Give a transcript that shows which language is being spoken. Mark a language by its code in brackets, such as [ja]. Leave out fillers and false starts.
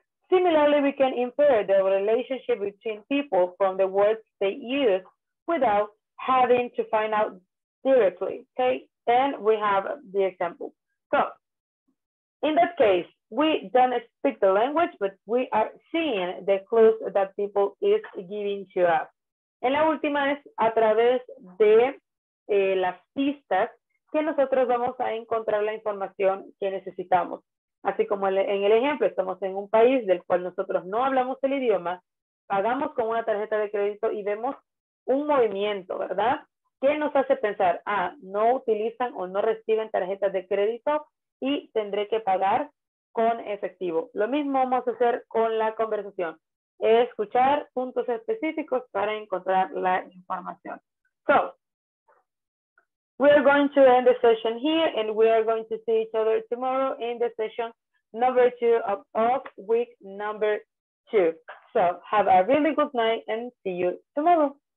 [en] Similarly, we can infer the relationship between people from the words they use without having to find out directly, okay? And we have the example. So, in that case, we don't speak the language, but we are seeing the clues that people is giving to us. [es] En la última es a través de las pistas que nosotros vamos a encontrar la información que necesitamos. Así como en el ejemplo, estamos en un país del cual nosotros no hablamos el idioma, pagamos con una tarjeta de crédito y vemos un movimiento, ¿verdad? Que nos hace pensar, no utilizan o no reciben tarjetas de crédito y tendré que pagar con efectivo. Lo mismo vamos a hacer con la conversación. Escuchar puntos específicos para encontrar la información. [en] So, we are going to end the session here and we are going to see each other tomorrow in the session number two of week number two. So, have a really good night and see you tomorrow.